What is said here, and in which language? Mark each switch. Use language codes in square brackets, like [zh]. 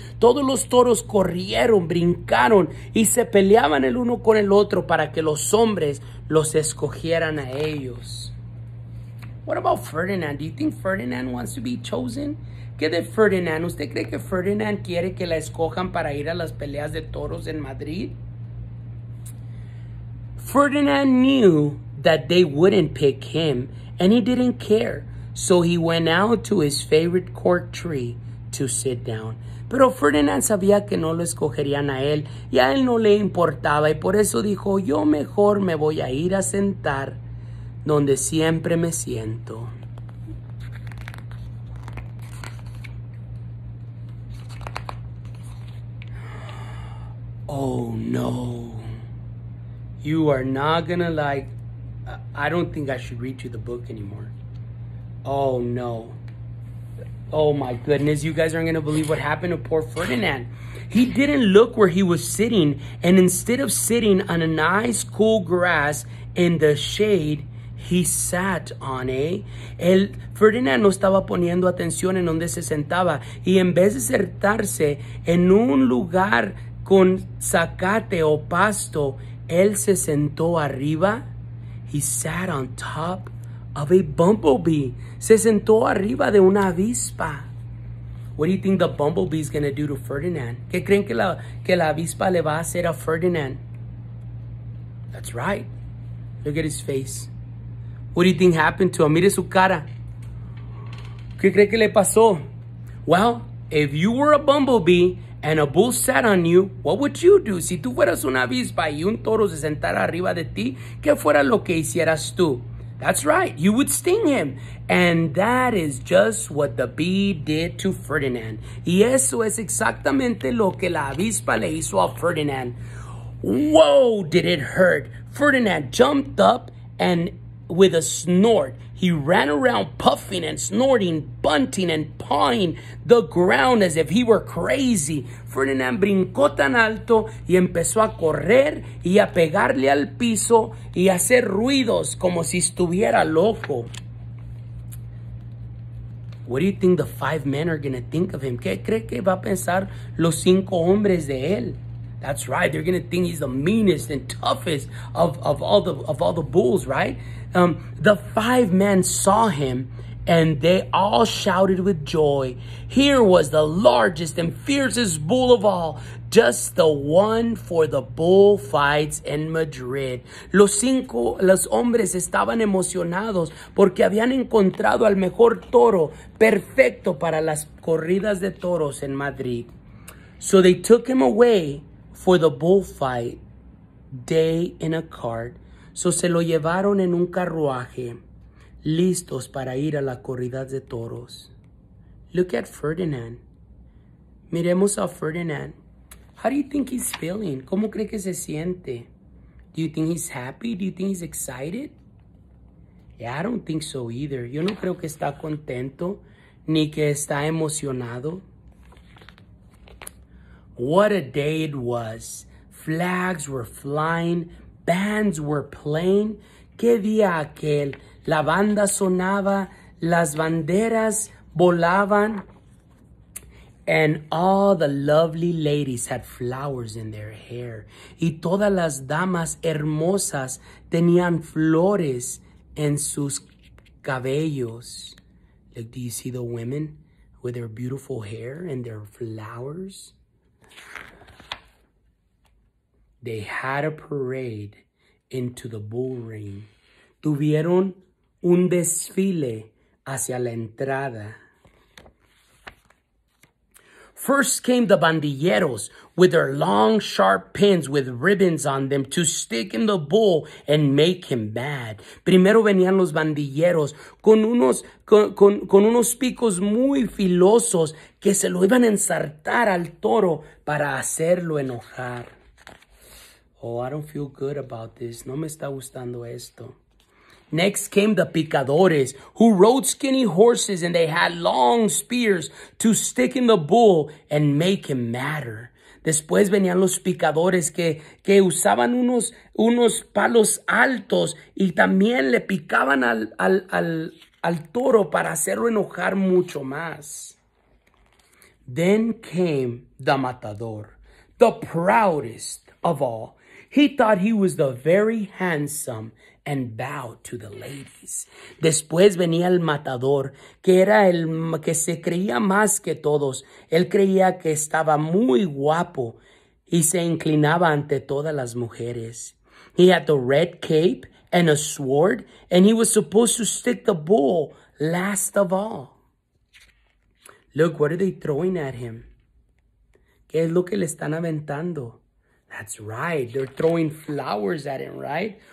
[es] Todos los toros corrieron, brincaron y se peleaban el uno con el otro para que los hombres los escogieran a ellos. [en] What about Ferdinand? Do you think Ferdinand wants to be chosen? [es] ¿Qué de Ferdinand? ¿Usted cree que Ferdinand quiere que la escojan para ir a las peleas de toros en Madrid? [en] Ferdinand knew that they wouldn't pick him, and he didn't care. So he went out to his favorite cork tree to sit down. [es] Pero Ferdinand sabía que no lo escogerían a él, y a él no le importaba, y por eso dijo, yo mejor me voy a ir a sentar donde siempre me siento. [en] Oh, no. You are not gonna like, I don't think I should read you the book anymore. Oh no. Oh my goodness, you guys aren't gonna believe what happened to poor Ferdinand. He didn't look where he was sitting, and instead of sitting on a nice cool grass in the shade, he sat on a... [es] El Ferdinand no estaba poniendo atención en donde se sentaba, y en vez de sentarse en un lugar con zacate o pasto, él se sentó arriba. [en] He sat on top of a bumblebee. [es] Se sentó arriba de una avispa. [en] What do you think the bumblebee is going to do to Ferdinand? [es] ¿Qué creen que la avispa le va a hacer a Ferdinand? [en] That's right. Look at his face. What do you think happened to him? [es] Mire su cara. ¿Qué creen que le pasó? [en] Well, if you were a bumblebee and a bull sat on you, what would you do? [es] Si tú fueras una avispa y un toro se sentara arriba de ti, ¿qué fuera lo que hicieras tú? [en] That's right, you would sting him. And that is just what the bee did to Ferdinand. [es] Y eso es exactamente lo que la avispa le hizo a Ferdinand. [en] Whoa, did it hurt? Ferdinand jumped up and with a snort, he ran around puffing and snorting, bunting and pawing the ground as if he were crazy. [es] Ferdinand brincó tan alto y empezó a correr y a pegarle al piso y a hacer ruidos como si estuviera loco. [en] What do you think the five men are going to think of him? [es] ¿Qué cree que va a pensar los cinco hombres de él? [en] That's right. They're going to think he's the meanest and toughest of all the bulls, right? The five men saw him, and they all shouted with joy. Here was the largest and fiercest bull of all, just the one for the bullfights in Madrid. [es] Los hombres estaban emocionados porque habían encontrado al mejor toro, perfecto para las corridas de toros en Madrid. [en] So they took him away for the bullfight day in a cart. [es] So se lo llevaron en un carruaje, listos para ir a la corrida de toros. [en] Look at Ferdinand. [es] Miremos a Ferdinand. [en] How do you think he's feeling? [es] ¿Cómo cree que se siente? [en] Do you think he's happy? Do you think he's excited? Yeah, I don't think so either. [es] Yo no creo que está contento, ni que está emocionado. [en] What a day it was. Flags were flying. Bands were playing. [es] ¿Qué día aquel? La banda sonaba, las banderas volaban, [en] and all the lovely ladies had flowers in their hair. [es] Y todas las damas hermosas tenían flores en sus cabellos. [en] Like, do you see the women with their beautiful hair and their flowers? They had a parade into the bull ring. [es] Tuvieron un desfile hacia la entrada. [en] First came the banderilleros with their long, sharp pins with ribbons on them to stick in the bull and make him mad. [es] Primero venían los banderilleros con unos picos muy filosos que se lo iban a ensartar al toro para hacerlo enojar. [en] Oh, I don't feel good about this. [es] No me está gustando esto. [en] Next came the picadores, who rode skinny horses, and they had long spears to stick in the bull and make him madder. [es] Después venían los picadores que usaban unos palos altos y también le picaban al toro para hacerlo enojar mucho más. [en] Then came the matador, the proudest of all. He thought he was the very handsome and bowed to the ladies. [es] Después venía el matador, que era el que se creía más que todos. Él creía que estaba muy guapo y se inclinaba ante todas las mujeres. [en] He had the red cape and a sword, and he was supposed to stick the bull last of all. Look, what are they throwing at him? [es] ¿Qué es lo que le están aventando? [en] That's right. They're throwing flowers at him, right?